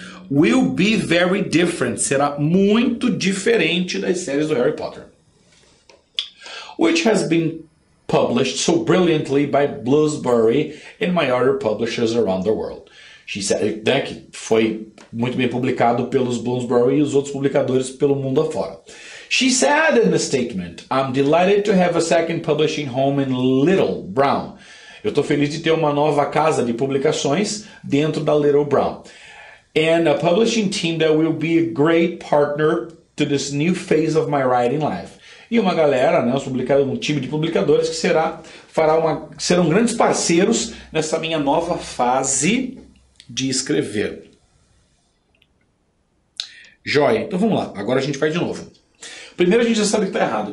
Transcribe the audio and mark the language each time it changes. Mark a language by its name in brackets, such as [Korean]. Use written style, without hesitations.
[English] Will be very different. [Portuguese] Será muito diferente das séries do Harry Potter. [English] Which has been published so brilliantly by Bloomsbury and my other publishers around the world. She said, [Portuguese] né, que foi muito bem publicado pelos Bloomsbury e os outros publicadores pelo mundo afora. [English] She said in the statement, I'm delighted to have a second publishing home in Little Brown. [Portuguese] Eu estou feliz de ter uma nova casa de publicações dentro da Little Brown. [English] And a publishing team that will be a great partner to this new phase of my writing life. [Portuguese] E uma galera, né, um time de publicadores que serão grandes parceiros nessa minha nova fase de escrever. Joia. Então vamos lá. Agora a gente vai de novo. Primeiro a gente já sabe que está errado.